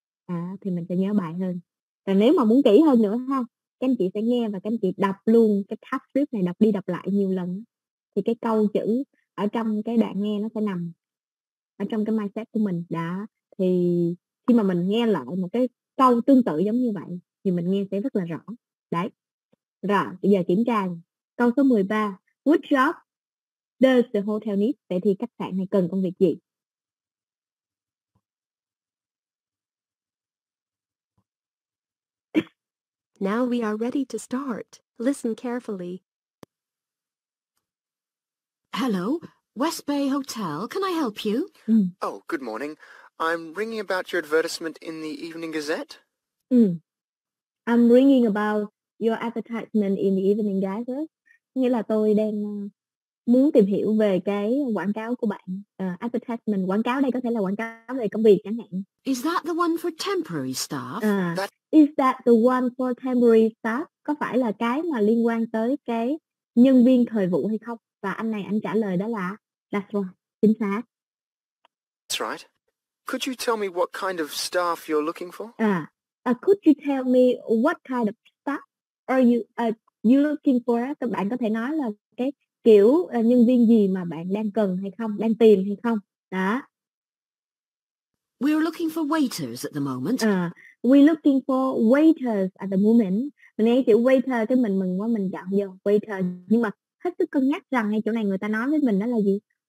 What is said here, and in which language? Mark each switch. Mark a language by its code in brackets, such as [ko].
[vi] À, thì mình sẽ nhớ bài hơn. Còn nếu mà muốn kỹ hơn nữa ha, các anh chị sẽ nghe và các anh chị đọc luôn cái sắp xếp này, đọc đi đọc lại nhiều lần. Thì cái câu chữ ở trong cái đoạn nghe nó sẽ nằm ở trong cái mindset của mình. Đó. Thì khi mà mình nghe lại một cái câu tương tự giống như vậy, thì mình nghe sẽ rất là rõ. Đấy. Rồi, bây giờ kiểm tra. Câu số 13, [en] what job does the hotel need? [vi] Vậy thì khách sạn này cần công việc gì? [en] Now we are ready to start. Listen carefully. Hello, West Bay Hotel. Can I help you? Oh, good morning. I'm ringing about your advertisement in the Evening Gazette. I'm ringing about your advertisement in the Evening Gazette. [vi] Nghĩa là tôi đang muốn tìm hiểu về cái quảng cáo của bạn. Advertisement, quảng cáo đây có thể là quảng cáo về công việc chẳng hạn. [en] Is that the one for temporary staff? Is that the one for temporary staff? [vi] Có phải là cái mà liên quan tới cái nhân viên thời vụ hay không? Và anh này anh trả lời đó là [en] that's right, [vi] chính xác. [en] That's right. Could you tell me what kind of staff you're looking for? Could you tell me what kind of staff are you... You looking for? [vi] Các bạn có thể nói là cái kiểu nhân viên gì mà bạn đang cần hay không, đang tìm hay không? Đó. [en] We're looking for waiters at the moment. We're looking for waiters at the moment. [vi] Mình nghe chữ waiter cái mình mừng quá, mình chọn vô waiter. Nhưng mà hết sức cân nhắc rằng ngay chỗ này người ta nói với mình đó là gì?